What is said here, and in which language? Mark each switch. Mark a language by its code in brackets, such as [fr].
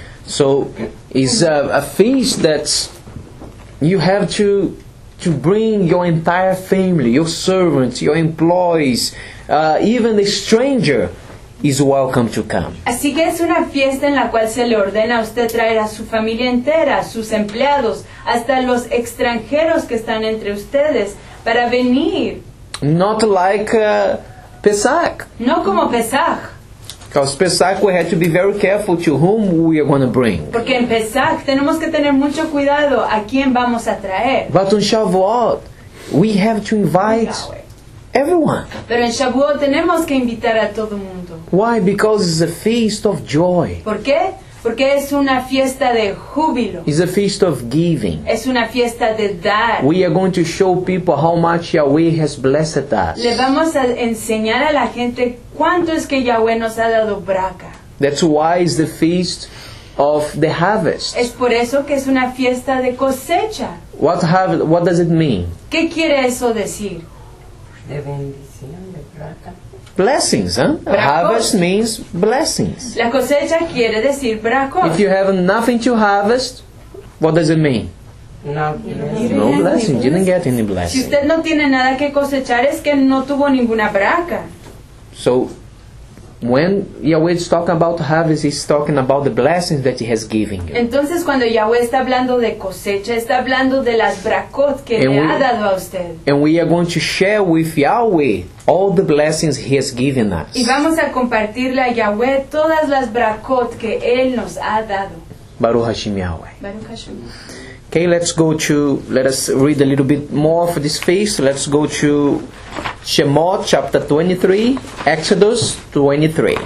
[en] So, it's a feast that you have to bring your entire family, your servants, your employees, even the stranger is welcome to come. [es] Así que es una fiesta en la cual se le ordena a usted traer a su familia entera, sus empleados, hasta los extranjeros que están entre ustedes, para venir. [en] Not like Pesach. [es] No como Pesach. [en] Because Pesach, we had to be very careful to whom we are going to bring. [es] Porque en Pesach tenemos que tener mucho cuidado a quién vamos a traer. [en] But on Shavuot, we have to invite everyone. [es] Pero en Shavuot tenemos que invitar a todo mundo. [en] Why? Because it's a feast of joy. [es] ¿Por qué? Porque es una fiesta de júbilo. [en] It's a feast of giving. [es] Es una fiesta de dar. [en] We are going to show people how much Yahweh has blessed us. [es] Le vamos a enseñar a la gente cuánto es que Yahweh nos ha dado braca. [en] That's why it's the feast of the harvest. [es] Es por eso que es una fiesta de cosecha. [en] What does it mean? [es] ¿Qué quiere eso decir? De bendición, de [en] plata. Blessings, huh? Harvest means blessings. [es] La cosecha quiere decir braco. [en] If you have nothing to harvest, what does it mean? No blessing. You didn't get any blessing. [es] Si usted no tiene nada que cosechar, es que no tuvo ninguna braca. [en] So, when Yahweh is talking about harvest, he's talking about the blessings that he has given you. [es] Entonces, cuando Yahweh está hablando de cosecha, está hablando de las bracot que le ha dado a usted. [en] And we are going to share with Yahweh all the blessings he has given us. [es] Y vamos a compartirle a Yahweh todas las bracot que él nos ha dado. [he] Baruch Hashem Yahweh. Baruch Hashem. [en] Okay, let us read a little bit more of this feast. Let's go to Shemot chapter 23, Exodus 23.